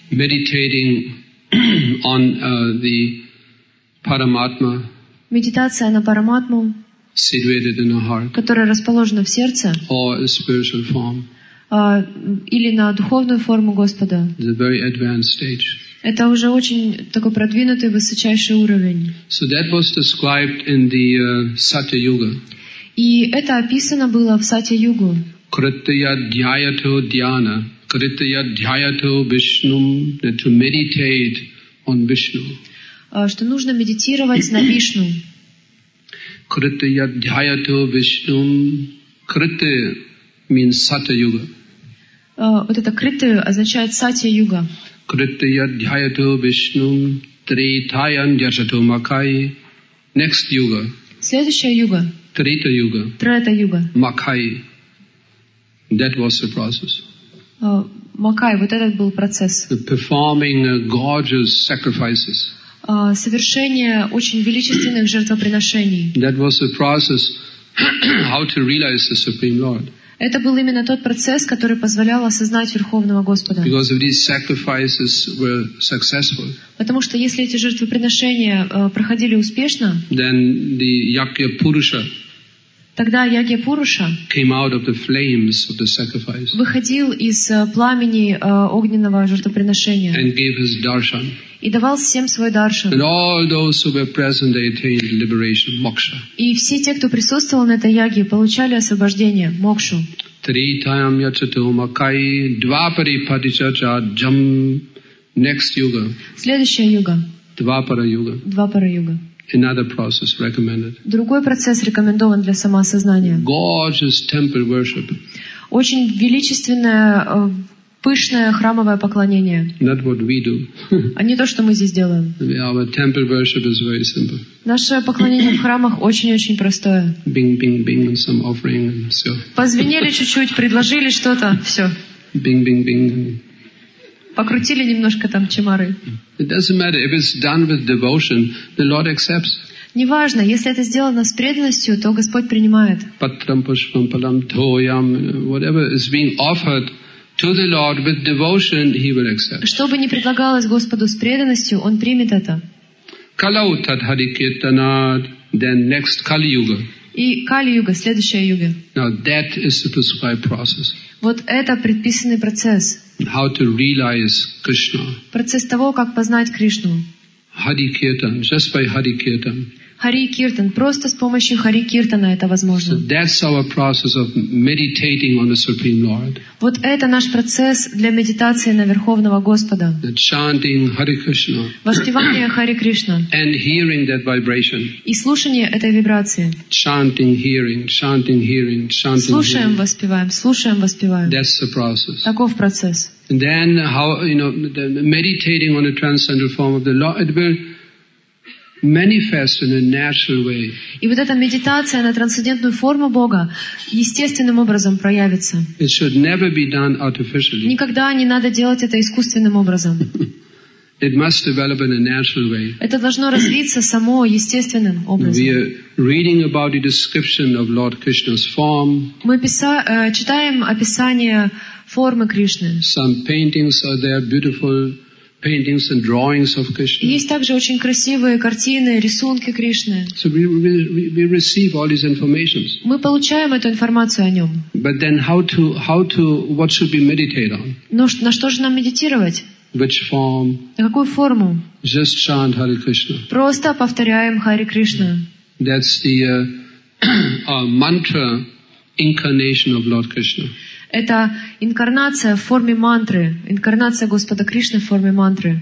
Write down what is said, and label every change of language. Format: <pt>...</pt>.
<en>Meditating on the Paramatma.</en> <ru>Медитация на Параматму.</ru> <en>Situated in the heart.</en> <ru>Которая расположена в сердце.</ru> <en>Or a spiritual form.</en> <ru>Или на духовную форму Господа.</ru> <en>It's a very advanced stage.</en> <ru>Это уже очень такой продвинутый, высочайший уровень.</ru> <en>So that was described in the Satya-yuga.</en> <ru>И это описано было в Сатья-югу.</ru> <sa>Kṛtya-dhyāyato dhyāna. Kṛtya-dhyāyato Vishnu.</sa> <en>To meditate on Vishnu.</en> <ru>Что нужно медитировать на Вишну.</ru> <sa>Kṛtya-dhyāyato Vishnu.</sa> <en>Kṛtya means Satya-yuga.</en> <ru>Вот это Kṛtya означает Сатья-юга.</ru> <sa>Kṛtya dhyāyato Vishnu trītāyam yajato makai.</sa> <en>Next yuga.</en> <ru>Следующая юга.</ru> <en>Trīta yuga.</en> <ru>Trīta yuga.</ru> <en>Makai. That was the process.</en> <ru>Makai, вот этот был процесс.</ru> <en>Performing gorgeous sacrifices.</en> <ru>Совершение очень величественных жертвоприношений.</ru> <en>That was the process how to realize the Supreme Lord.</en> <ru>Это был именно тот процесс, который позволял осознать Верховного Господа.</ru> <en>Because if these sacrifices were successful,</en> <ru>потому что если эти жертвоприношения проходили успешно,</ru> <en>then the Yagya-purusha,</en> <ru>тогда Ягья-пуруша</ru> <en>came out of the flames of the sacrifice,</en> <ru>выходил из пламени огненного жертвоприношения</ru> <en>and gave his darshan.</en> <ru>И давал всем свой даршан.</ru> <en>And all those who were present, they attained liberation, moksha.</en> <ru>И все те, кто присутствовал на этой яге, получали освобождение, мокшу.</ru> <sa>Tritayam yachato makai dvapari padichacha jam.</sa> <en>Next yuga.</en> <ru>Следующая юга.</ru> <en>Dvapara yuga.</en> <ru>Dvapara yuga.</ru> <en>Another process recommended.</en> <ru>Другой процесс рекомендован для самоосознания.</ru> <en>Gorgeous temple worship.</en> <ru>Очень величественное пышное храмовое поклонение.</ru> <en>Not what we do.</en> <ru>А не то, что мы здесь делаем.</ru> <en>Our temple worship is very simple.</en> <ru>Наше поклонение в храмах очень-очень простое.</ru> <en>Bing, bing, bing, and some offering, and</en> <ru>все. Позвенели чуть-чуть, предложили что-то, все.</ru> <en>Bing, bing, bing.</en> <ru>Покрутили немножко там чимары.</ru> <en>It doesn't matter if it's done with devotion, the Lord accepts.</en> <ru>Неважно, если это сделано с преданностью, то Господь принимает.</ru> <sa>Патрам пушпам палам тоям,</sa> <en>whatever is being offered to the Lord with devotion, he will accept.</en> <ru>Что бы ни предлагалось Господу с преданностью, он примет это.</ru> <sa>Kalau tad hari kirtanat,</sa> <en>then next Kali Yuga.</en> <ru>И Kali Yuga, следующая юга.</ru> <en>Now that is the prescribed process.</en> <ru>Вот это предписанный процесс.</ru> <en>How to realize Krishna.</en> <ru>Процесс того, как познать Кришну.</ru> <en>Hari kirtan, just by hari kirtan.</en> <ru>Hari kirtan, просто с помощью hari kirtana это возможно.</ru> <en>So that's our process of meditating on the Supreme Lord.</en> <ru>Вот это наш процесс для медитации на Верховного Господа.</ru> <en>The chanting hari Krishna.</en> <ru>Воспевание hari Krishna.</ru> <en>And hearing that vibration.</en> <ru>И слушание этой вибрации.</ru> <en>Chanting, hearing, chanting, hearing, chanting.</en> <ru>Слушаем,</ru> <en>hearing.</en> <ru>Воспеваем, слушаем, воспеваем.</ru> <en>That's the process.</en> <ru>Таков процесс.</ru> <en>And then how you know the meditating on the transcendental form of the Lord, it will manifest in a natural way.</en> <ru>И вот эта медитация на трансцендентную форму Бога естественным образом проявится.</ru> <en>It should never be done artificially.</en> <ru>Никогда не надо делать это искусственным образом.</ru> <en>It must develop in a natural way.</en> <ru>Это должно развиться само естественным образом.</ru> <en>We are reading about the description of Lord Krishna's form.</en> <ru>Мы читаем описание формы Кришны.</ru> <en>Some paintings are there, beautiful. paintings and drawings of Krishna.</en> <ru>Есть также очень красивые картины, рисунки Кришны.</ru> <en>So we receive all these informations.</en> <ru>Мы получаем эту информацию о нем.</ru> <en>But then how to what should we meditate on?</en> <ru>Но на что же нам медитировать?</ru> <en>Which form?</en> <ru>На какую форму?</ru> <en>Just chant Hare Krishna.</en> <ru>Просто повторяем Hare Krishna.</ru> <en>That's the mantra incarnation of Lord Krishna.</en> <ru>Это инкарнация в форме мантры, инкарнация Господа Кришны в форме мантры.</ru>